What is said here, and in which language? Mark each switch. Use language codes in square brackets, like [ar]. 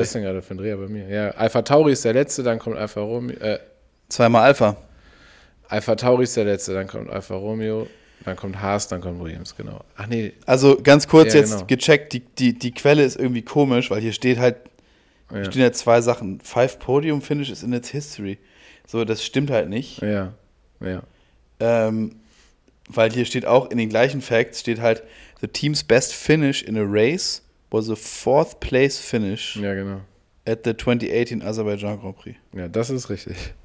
[de] Was ist denn gerade für ein Dreher bei mir? Ja, Alfa Tauri ist der Letzte, dann kommt Alfa Romeo. Zweimal Alfa. Alfa Tauri ist der Letzte, dann kommt Alfa Romeo. Dann kommt Haas, dann kommt Williams, genau. Ach nee. Also ganz kurz ja, jetzt genau. Gecheckt, die Quelle ist irgendwie komisch, weil hier steht halt, ja. Stehen ja zwei Sachen. [en] Five Podium Finishes in its history. [de] So, das stimmt halt nicht. Ja, ja. Weil hier steht auch in den gleichen Facts, steht halt, [en] the team's best finish in a race was a fourth place finish. [de] Ja, genau. [en] At the 2018 Azerbaijan Grand Prix. [de] Ja, das ist richtig.